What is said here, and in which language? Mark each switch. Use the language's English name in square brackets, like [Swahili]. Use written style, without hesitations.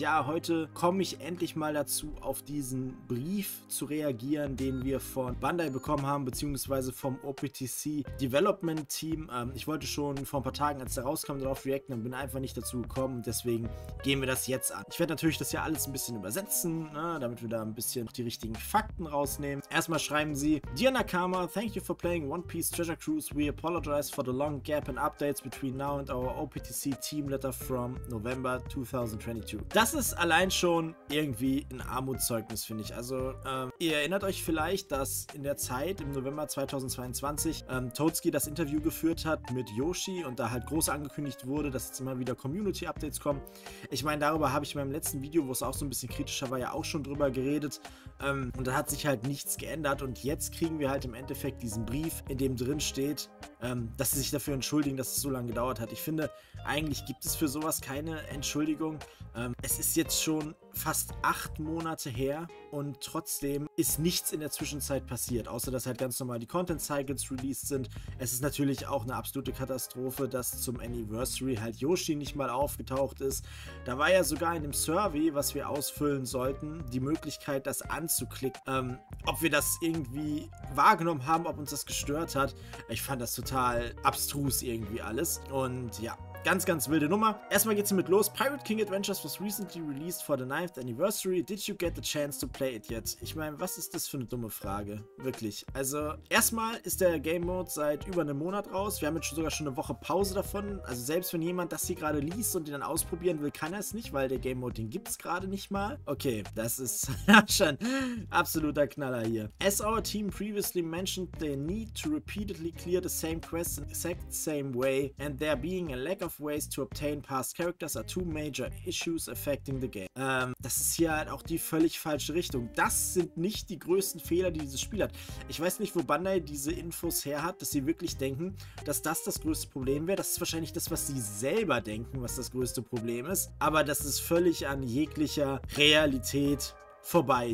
[German] Ja, heute komme ich endlich mal dazu, auf diesen Brief zu reagieren, den wir von Bandai bekommen haben, beziehungsweise vom OPTC Development Team. Ich wollte schon vor ein paar Tagen, als der rauskam, darauf reacten und bin einfach nicht dazu gekommen. Deswegen gehen wir das jetzt an. Ich werde natürlich das ja alles ein bisschen übersetzen, ne, damit wir da ein bisschen die richtigen Fakten rausnehmen. Erstmal schreiben sie: [English] Dear Nakama, thank you for playing One Piece Treasure Cruise. We apologize for the long gap in updates between now and our OPTC Team Letter from November 2022. [German] Das ist allein schon irgendwie ein Armutszeugnis, finde ich. Also, ihr erinnert euch vielleicht, dass in der Zeit, im November 2022, Totsuki das Interview geführt hat mit Yoshi und da halt groß angekündigt wurde, dass jetzt immer wieder Community-Updates kommen. Ich meine, darüber habe ich in meinem letzten Video, wo es auch so ein bisschen kritischer war, ja auch schon drüber geredet. Und da hat sich halt nichts geändert. Und jetzt kriegen wir halt im Endeffekt diesen Brief, in dem drin steht, dass sie sich dafür entschuldigen, dass es so lange gedauert hat. Ich finde, eigentlich gibt es für sowas keine Entschuldigung. Es ist jetzt schon fast 8 Monate her und trotzdem ist nichts in der Zwischenzeit passiert, außer dass halt ganz normal die Content Cycles released sind. Es ist natürlich auch eine absolute Katastrophe, dass zum Anniversary halt Yoshi nicht mal aufgetaucht ist. Da war ja sogar in dem Survey, was wir ausfüllen sollten, die Möglichkeit, das anzuklicken. Ob wir das irgendwie wahrgenommen haben, ob uns das gestört hat. Ich fand das total abstrus irgendwie alles und ja. Ganz, ganz wilde Nummer. Erstmal geht's mit los. [English] Pirate King Adventures was recently released for the 9th anniversary. Did you get the chance to play it yet? [German] Ich meine, was ist das für eine dumme Frage? Wirklich. Also, erstmal ist der Game Mode seit über einem Monat raus. Wir haben jetzt sogar schon eine Woche Pause davon. Also, selbst wenn jemand das hier gerade liest und den dann ausprobieren will, kann er es nicht, weil der Game Mode, den gibt's gerade nicht mal. Okay, das ist schon absoluter Knaller hier. [English] As our team previously mentioned, they need to repeatedly clear the same quests in the exact same way and there being a lack of ways to obtain past characters are 2 major issues affecting the game. [German] Das ist hier halt auch die völlig falsche Richtung. Das sind nicht die größten Fehler, die dieses Spiel hat. Ich weiß nicht, wo Bandai diese Infos her hat, dass sie wirklich denken, dass das das größte Problem wäre. Das ist wahrscheinlich das, was sie selber denken, was das größte Problem ist. Aber das ist völlig an jeglicher Realität vorbei.